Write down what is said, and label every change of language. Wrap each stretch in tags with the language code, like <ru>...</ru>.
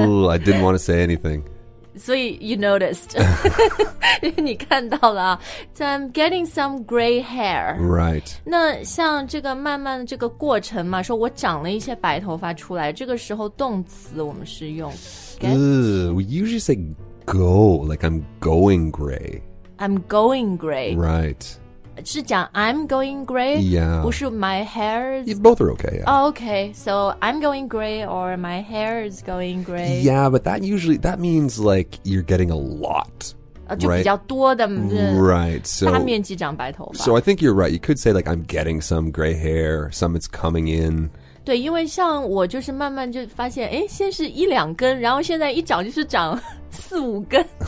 <en>Ooh, I didn't want to say anything. So you noticed.</en> <zh>你看到了啊。</zh> <en>So I'm getting some gray hair. Right.</en> <zh>那像这个慢慢的这个过程嘛，说我长了一些白头发出来，这个时候动词我们是用</zh> <en>We usually say go, like I'm going gray. I'm going gray. Right.</en> <zh>是讲</zh> <en>I'm going gray? Yeah.</en> <zh>不是</zh> <en>my hair is... Yeah, both are okay, yeah. Oh, okay. So I'm going gray or my hair is going gray. Yeah, but that usually, that means like you're getting a lot. Right, so,</en> <zh>大面积长白头发。</zh> <en>So I think you're right. You could say like, I'm getting some gray hair, some it's coming in.</en> <zh>对，因为像我就是慢慢就发现，哎，先是一两根，然后现在一长就是长四五根。</zh>